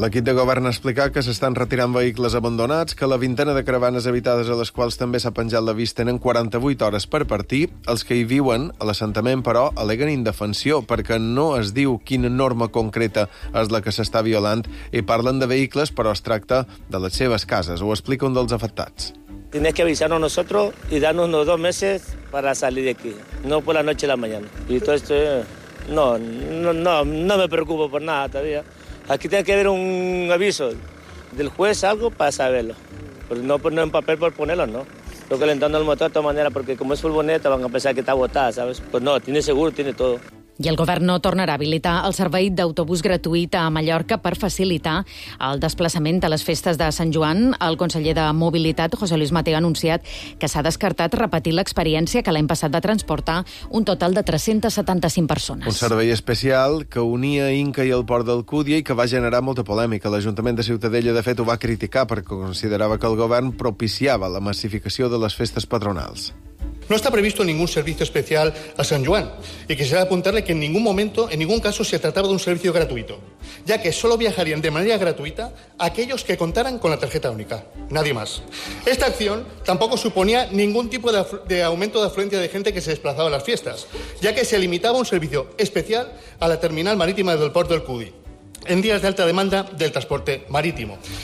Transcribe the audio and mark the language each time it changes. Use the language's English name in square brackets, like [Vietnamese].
[Catalan] L'equip de govern ha explicat que s'estan retirant vehicles abandonats, que la vintena de caravanes habitades a les quals també s'ha penjat l'avís tenen 48 hores per partir. Els que hi viuen a l'assentament, però, aleguen indefensió perquè no es diu quina norma concreta és la que s'està violant i parlen de vehicles, però es tracta de les seves cases. Ho explica un dels afectats. [Spanish] Tienes que avisarnos a nosotros y darnos unos 2 meses para salir de aquí, no por la noche y la mañana. Y todo esto No me preocupo por nada todavía. Aquí tiene que haber un aviso del juez, algo para saberlo. Pero no ponerlo en papel por ponerlo, ¿no? Lo calentando el motor de todas maneras, porque como es furgoneta van a pensar que está botada, ¿sabes? Pues no, tiene seguro, tiene todo. [Catalan] I el govern no tornarà a habilitar el servei d'autobús gratuït a Mallorca per facilitar el desplaçament a les festes de Sant Joan. El conseller de Mobilitat, José Luis Mateo, ha anunciat que s'ha descartat repetir l'experiència que l'any passat va transportar un total de 375 persones. Un servei especial que unia Inca i el Port d'Alcúdia i que va generar molta polèmica. L'Ajuntament de Ciutadella, de fet, ho va criticar perquè considerava que el govern propiciava la massificació de les festes patronals. [Spanish] No está previsto ningún servicio especial a San Juan y quisiera apuntarle que en ningún momento, en ningún caso, se trataba de un servicio gratuito, ya que solo viajarían de manera gratuita aquellos que contaran con la tarjeta única, nadie más. Esta acción tampoco suponía ningún tipo de aumento de afluencia de gente que se desplazaba a las fiestas, ya que se limitaba un servicio especial a la terminal marítima del Port del Cudi, en días de alta demanda del transporte marítimo.